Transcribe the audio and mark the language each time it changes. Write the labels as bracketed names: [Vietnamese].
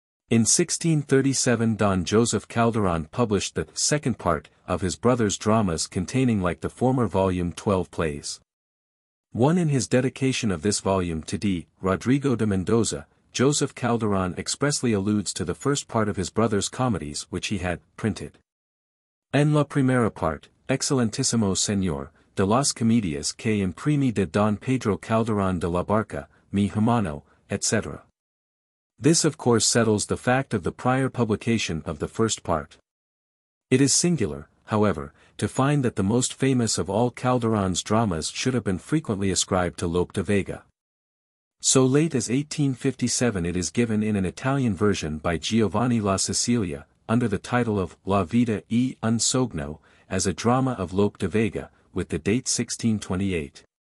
[English] In 1637 Don Joseph Calderón published the second part of his brother's dramas containing like the former volume 12 plays. One in his dedication of this volume to D. Rodrigo de Mendoza, Joseph Calderón expressly alludes to the first part of his brother's comedies which he had printed. [Spanish] En la primera parte, excelentísimo señor, de las comedias que imprimí de Don Pedro Calderón de la Barca, mi hermano, etc. [English] This of course settles the fact of the prior publication of the first part. It is singular, however, to find that the most famous of all Calderón's dramas should have been frequently ascribed to Lope de Vega. So late as 1857 it is given in an Italian version by Giovanni La Sicilia, under the title of La Vita e un Sogno, as a drama of Lope de Vega, with the date 1628.